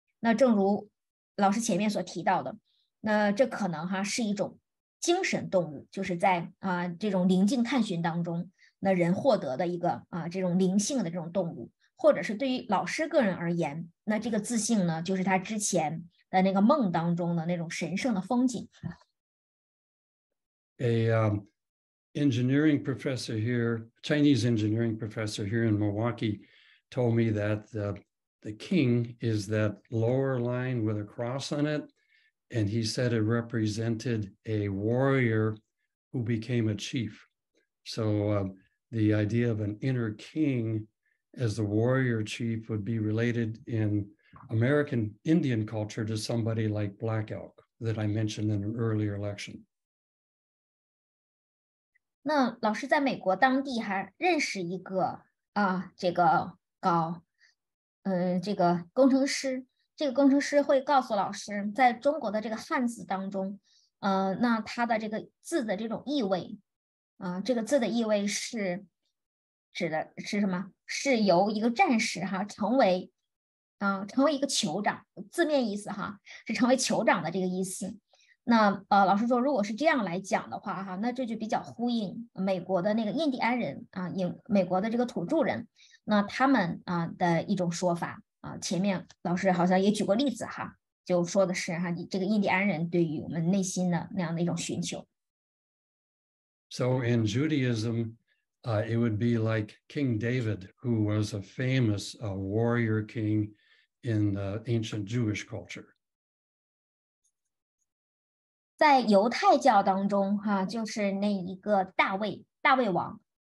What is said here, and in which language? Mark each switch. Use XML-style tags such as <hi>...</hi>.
<zh>那正如老师前面所提到的，那这可能哈是一种精神动物，就是在这种灵境探寻当中，那人获得的一个这种灵性的这种动物，或者是对于老师个人而言，那这个自信呢，就是他之前的那个梦当中的那种神圣的风景。</zh> <en>A engineering professor here, Chinese engineering professor here in Milwaukee, told me that the king is that lower line with a cross on it. And he said it represented a warrior who became a chief. So the idea of an inner king as the warrior chief would be related in American Indian culture to somebody like Black Elk that I mentioned in an earlier lecture.</en> <zh>那老师在美国当地还认识一个这个高这个工程师。这个工程师会告诉老师，在中国的这个汉字当中，那它的这个字的这种意味，这个字的意味是指的是什么？是由一个战士哈成为，成为一个酋长，字面意思哈是成为酋长的这个意思。那老师说，如果是这样来讲的话哈，那这就比较呼应美国的那个印第安人美国的这个土著人，那他们的一种说法。前面老师好像也举过例子哈，就说的是哈，这个印第安人对于我们内心的那样的一种寻求。</zh> <en>So in Judaism, it would be like King David, who was a famous warrior king in ancient Jewish culture.</en> <zh>在犹太教当中哈，就是那一个大卫王，</zh>